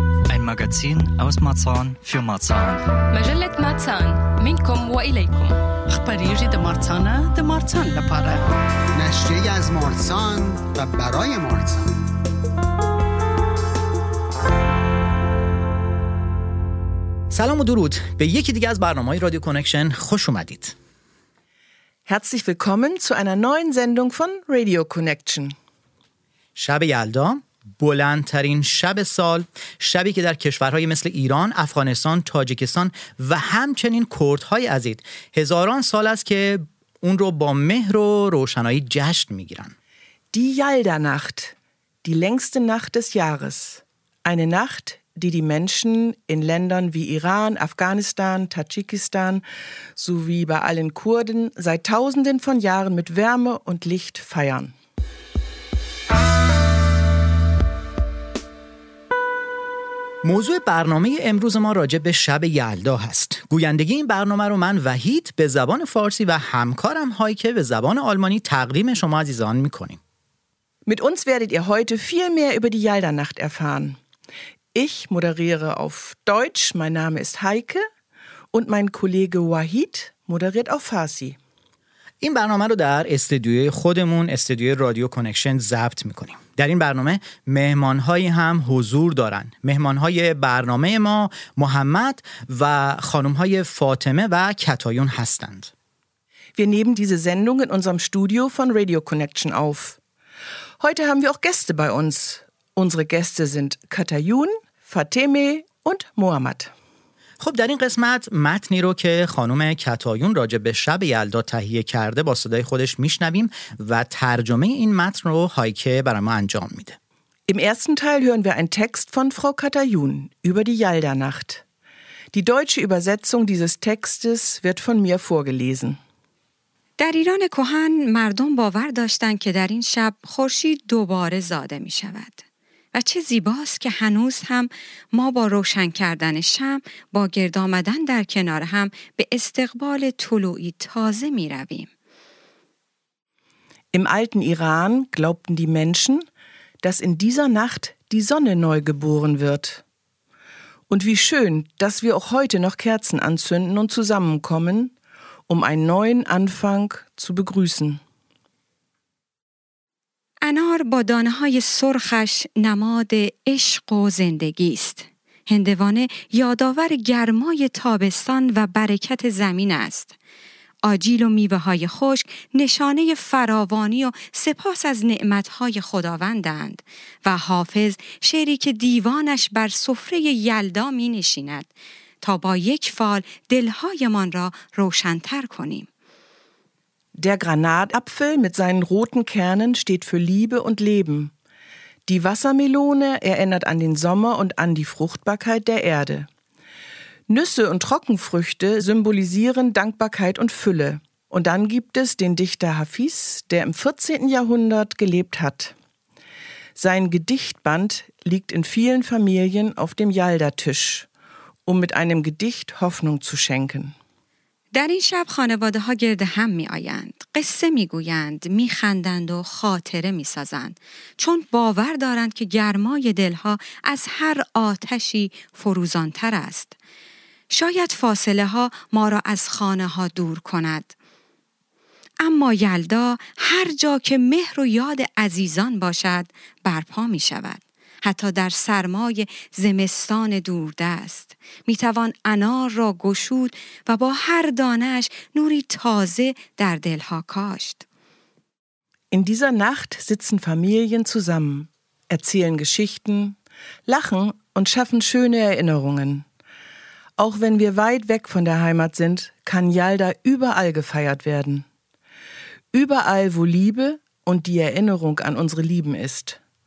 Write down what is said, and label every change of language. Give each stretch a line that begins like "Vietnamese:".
German: Ein Magazin aus Marzahn für Marzahn.
Arabic: مجلة Marzahn. منكم وإليكم. أخباري جدا مارتانا دا مارتان لبارا.
Persian: نشجي از مارتان و براي مارتان. سلام و درود به یکی دیگه از برنامه های رادیو کنکشن خوش اومدید.
German: Herzlich willkommen zu einer neuen Sendung von Radio Connection.
Persian: شب یلدا، بلندترین شب سال، شبی که در کشورهای مثل ایران، افغانستان، تاجیکستان و همچنین کردهای عزیز هزاران سال است که اون رو با مهر و روشنایی جشن میگیرن.
German: Die Yalda-Nacht, die längste Nacht des Jahres. Eine Nacht, die die Menschen in Ländern wie Iran, Afghanistan, Tadschikistan sowie bei allen Kurden seit Tausenden von Jahren mit Wärme und Licht feiern.
Persian: موضوع برنامه امروز ما راجع به شب یلدا هست. گویندگی این برنامه رو من وحید به زبان فارسی و همکارم هایی که به زبان آلمانی تقدیم شما عزیزان میکنیم.
German: Mit uns werdet ihr heute viel mehr über die Yalda-Nacht erfahren. Ich moderiere auf Deutsch, mein Name ist Heike und mein Kollege Wahid moderiert auf Farsi.
Persian: این برنامه رو در استدیوی خودمون، استدیوی رادیو کانکشن ضبط میکنیم. در این برنامه مهمانهایی هم حضور دارن. مهمانهای برنامه ما محمد و خانمهای فاطمه و کتایون هستند.
German: Wir nehmen diese Sendung in unserem Studio von Radio Connection auf. Heute haben wir auch Gäste bei uns. Unsere Gäste sind Katayun, Fateme und Mohammed.
Persian: خب در این قسمت متنی رو که خانم کتایون راجع به شب یلدا تهیه کرده با صدای خودش میشنویم و ترجمه این متن رو هایکه برای ما انجام میده.
German: Im ersten Teil hören wir einen Text von Frau Katayun über die Yalda-Nacht. Die deutsche Übersetzung dieses Textes wird von mir vorgelesen.
Persian: در ایران کهن مردم باور داشتند که در این شب خورشید دوباره زاده می شود. و چه زیباست که هنوز هم ما با روشن کردن شمع با گرد آمدن در کنار هم به استقبال طلوعی تازه می رویم.
German: Im alten Iran glaubten die Menschen, dass in dieser Nacht die Sonne neu geboren wird. Und wie schön, dass wir auch heute noch Kerzen anzünden und zusammenkommen, um einen neuen Anfang zu begrüßen. انار با دانه های سرخش نماد عشق و زندگی است. هندوانه یادآور گرمای تابستان و برکت زمین است. آجیل و میوه های خشک نشانه فراوانی و سپاس از نعمت های خداوندند و حافظ شعری که دیوانش بر سفره یلدا می نشیند تا با یک فال دلهای من را روشنتر کنیم. Der Granatapfel mit seinen roten Kernen steht für Liebe und Leben. Die Wassermelone erinnert an den Sommer und an die Fruchtbarkeit der Erde. Nüsse und Trockenfrüchte symbolisieren Dankbarkeit und Fülle. Und dann gibt es den Dichter Hafiz, der im 14. Jahrhundert gelebt hat. Sein Gedichtband liegt in vielen Familien auf dem Yalda-Tisch, um mit einem Gedicht Hoffnung zu schenken.
Persian: در این شب خانواده ها گرد هم می آیند، قصه می گویند، می خندند و خاطره می سازند، چون باور دارند که گرمای دلها از هر آتشی فروزانتر است. شاید فاصله ها ما را از خانه ها دور کند. اما یلدا هر جا که مهر و یاد عزیزان باشد برپا می شود. حتی در سرمای زمستان دوردست می توان انار را گشود و با هر دانش نوری تازه در دلها کاشت.
German: In dieser Nacht sitzen Familien zusammen, erzählen Geschichten, lachen und schaffen schöne Erinnerungen. Auch wenn wir weit weg von der Heimat sind, kann Yalda überall gefeiert werden. Überall, wo Liebe und die Erinnerung an unsere Lieben ist.